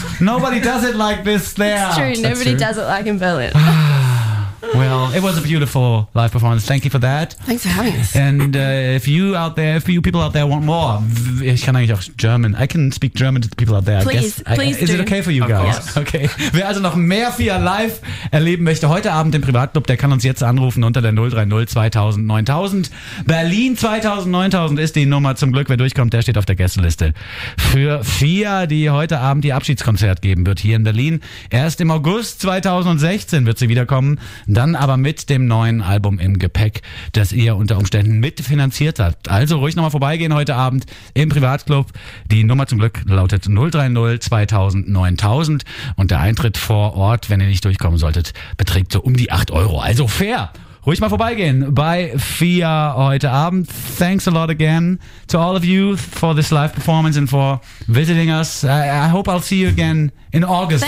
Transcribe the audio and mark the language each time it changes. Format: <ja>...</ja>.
<en>Nobody does it like this there. It's true. Nobody does it like in Berlin. Well, it was a beautiful live performance. Thank you for that. Thanks for having us. And if you out there, if you people out there want more,</en> <de>ich kann eigentlich auch German.</de> <en>I can speak German to the people out there. Please, I guess. Please, is it okay for you guys? Okay.</en> <de>Wer also noch mehr Fia live erleben möchte heute Abend im Privatclub, der kann uns jetzt anrufen unter der 030 2000 9000. Berlin 2000 9000 ist die Nummer. Zum Glück, wer durchkommt, der steht auf der Gästeliste. Für Fia, die heute Abend ihr Abschiedskonzert geben wird hier in Berlin. Erst im August 2016 wird sie wiederkommen. Dann aber mit dem neuen Album im Gepäck, das ihr unter Umständen mitfinanziert habt. Also ruhig nochmal vorbeigehen heute Abend im Privatclub. Die Nummer zum Glück lautet 030 2000 9000 und der Eintritt vor Ort, wenn ihr nicht durchkommen solltet, beträgt so um die 8 Euro. Also fair! Ruhig mal vorbeigehen bei FIA heute Abend.</de> <en>Thanks a lot again to all of you for this live performance and for visiting us. I hope I'll see you again in August</en>